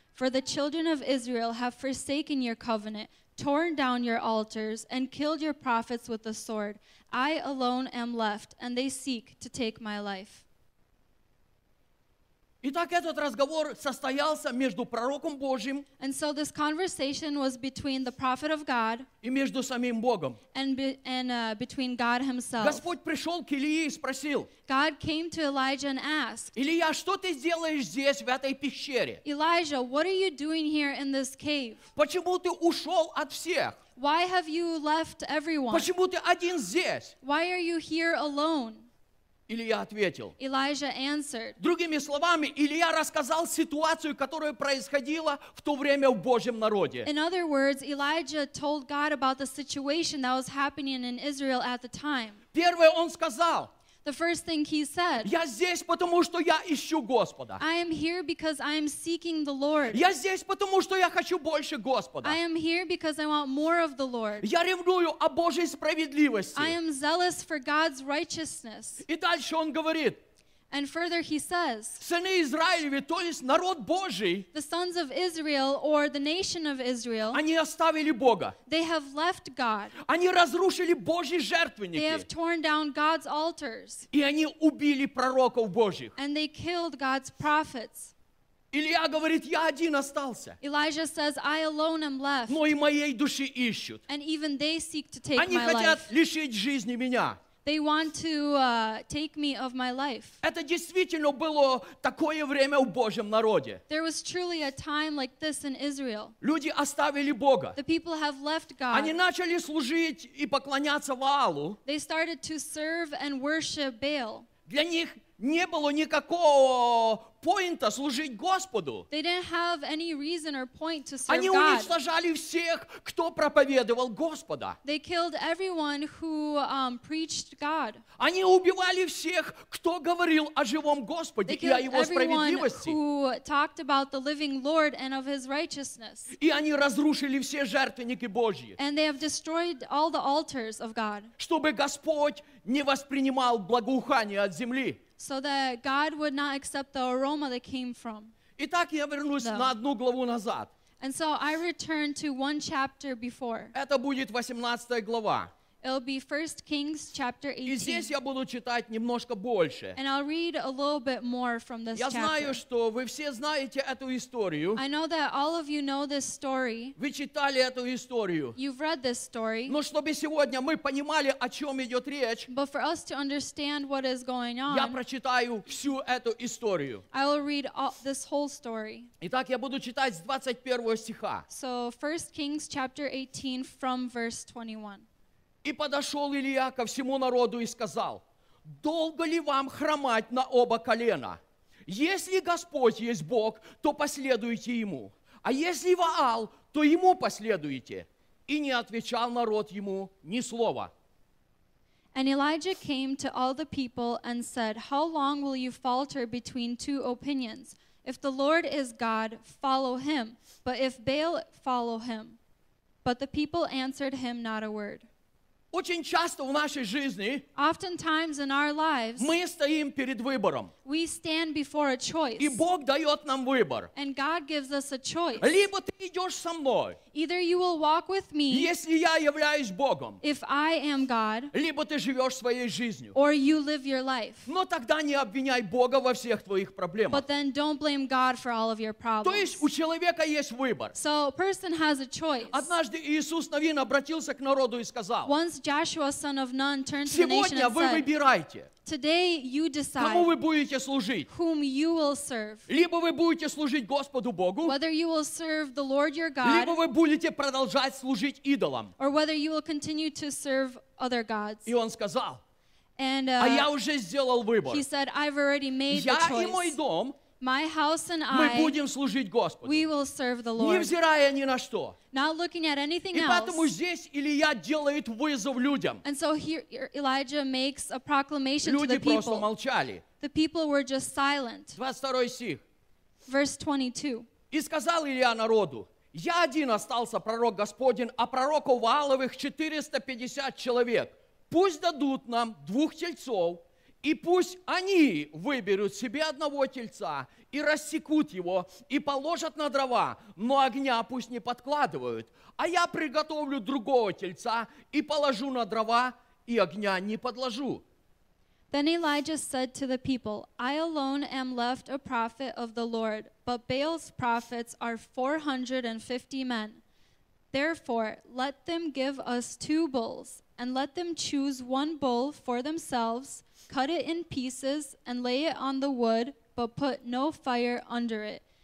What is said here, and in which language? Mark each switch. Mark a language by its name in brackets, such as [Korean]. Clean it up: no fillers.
[English] For the children of Israel have forsaken your covenant, torn down your altars, and killed your prophets with the sword. I alone am left, and they seek to take my life. [Russian] Итак, этот разговор состоялся между пророком Божьим [English] and so this conversation was between the prophet of God [Russian] и между самим Богом. [English] Between God himself. [Russian] Господь пришел к Илии и спросил. [English] God came to Elijah and asked. [Russian] Илия, что ты делаешь здесь, в этой пещере? [English] Elijah, what are you doing here in this cave? [Russian] Почему ты ушел от всех? [English] Why have you left everyone? [Russian] Почему ты один здесь? [English] Why are you here alone? [Russian] Илия ответил. [English] Elijah answered. [Russian] Другими словами, Илия рассказал ситуацию, которая происходила в то время в Божьем народе. [English] In other words, Elijah told God about the situation that was happening in Israel at the time. [Russian] Первое он сказал. [English] The first thing he said. [Russian] Я здесь, потому что я ищу Господа. [English] I am here because I am seeking the Lord. [Russian] Я здесь, потому что я хочу больше Господа. [English] I am here because I want more of the Lord. [Russian] Я ревную о Божьей справедливости. [English] I am zealous for God's righteousness. [Russian] И дальше он говорит. [English] And further he says. [Russian] Сыны Израилевы, то есть народ Божий. [English] The sons of Israel or the nation of Israel. [Russian] Они оставили Бога. [English] They have left God. [Russian] Они разрушили Божьи жертвенники. [English] They have torn down God's altars. [Russian] И они убили пророков Божьих. [English] And they killed God's prophets. [Russian] Илия говорит, я один остался. [English] Elijah says, I alone am left. [Russian] Но и моей души ищут. [English] And even they seek to take [Russian] они [English] my life. [Russian] Они хотят лишить жизни меня. [English] They want to take me of my life. [Russian] Это действительно было такое время в Божьем народе. [English] There was truly a time like this in Israel. [Russian] Люди оставили Бога. [English] The people have left God. [Russian] Они начали служить и поклоняться Ваалу. [English] They started to serve and worship Baal. [Russian] Для них не было никакого поинта служить Господу. [English] They didn't have any reason or point to serve [Russian] Они [English] God. [Russian] Уничтожали всех, кто проповедовал Господа. [English] They killed everyone who preached God. [Russian] Они убивали всех, кто говорил о живом Господе и о его справедливости. [English] Who talked about the living Lord and of his righteousness. [Russian] И они разрушили все жертвенники Божьи. [English] And they have destroyed all the altars of God. [Russian] Чтобы Господь не воспринимал благоухание от земли. [English] So that God would not accept the aroma that came from. [Russian] Итак, я вернусь [English] them. [Russian] На одну главу назад. [English] And so I return to one chapter before. [Russian] Это будет 18 глава. [English] It'll be 1 Kings chapter 18. [Russian] И здесь я буду читать немножко больше. [English] And I'll read a little bit more from this [Russian] я [English] chapter. [Russian] Я знаю, что вы все знаете эту историю. [English] I know that all of you know this story. [Russian] Вы читали эту историю. [English] You've read this story. [Russian] Но чтобы сегодня мы понимали, о чем идет речь. [English] But for us to understand what is going on. [Russian] Я прочитаю всю эту историю. [English] I will read all, this whole story. [Russian] Итак, я буду читать с 21 стиха. [English] So 1 Kings chapter 18 from verse 21. [Russian] И подошел Илия ко всему народу и сказал, «Долго ли вам хромать на оба колена? Если Господь есть Бог, то последуйте Ему, а если Ваал, то Ему последуйте». И не отвечал народ ему ни слова. [English] And Elijah came to all the people and said, «How long will you falter between two opinions? If the Lord is God, follow Him, but if Baal, follow Him». But the people answered him not a word. [Russian] Очень часто в нашей жизни [English] Oftentimes in our lives, [Russian] мы стоим перед выбором. [English] We stand before a choice. [Russian] И Бог дает нам выбор. [English] And God gives us a choice. [Russian] Либо ты идешь со мной. [English] Either you will walk with me. [Russian] Если я являюсь Богом. [English] If I am God. [Russian] Либо ты живешь своей жизнью. [English] Or you live your life. [Russian] Но тогда не обвиняй Бога во всех твоих проблемах. [English] But then don't blame God for all of your problems. [Russian] То есть у человека есть выбор. [English] So a person has a choice. [Russian] Однажды Иисус Навин обратился к народу и сказал. [English] Once Joshua, son of Nun, turned to [Russian] Сегодня [English] the nation and [Russian] вы [English] said, [Russian] выбирайте. [English] Today you decide [Russian] Кому вы будете служить? [English] Whom you will serve. [Russian] Либо вы будете служить Господу Богу. [English] Whether you will serve the Lord your God. [Russian] Либо вы будете продолжать служить идолам. [English] Or whether you will continue to serve other gods. [Russian] И он сказал. [English] And, [Russian] а я уже сделал выбор. [English] He said, I've already made [Russian] я [English] the choice. [Russian] Я и мой дом. [English] My house and I. [Russian] Мы будем служить Господу. [English] We will serve the Lord. [Russian] Невзирая ни на что. [English] Not looking at anything else. [Russian] И поэтому здесь Илия делает вызов людям. [English] And so here Elijah makes a proclamation [Russian] Люди [English] to the people. [Russian] Люди просто молчали. [English] The people were just silent. [Russian] 22 стих. [English] Verse 22. [Russian] И сказал Илия народу, «Я один остался, пророк Господень, а пророков Вааловых 450 человек. Пусть дадут нам двух тельцов, и пусть они выберут себе одного тельца». И рассекут его, и положат на дрова, но огня пусть не подкладывают. А я приготовлю другого тельца, и положу на дрова, и огня не подложу. [English] Then Elijah said to the people, I alone am left a prophet of the Lord, but Baal's prophets are 450 men. Therefore, let them give us two bulls, and let them choose one bull for themselves, cut it in pieces, and lay it on the wood, but put no fire under it.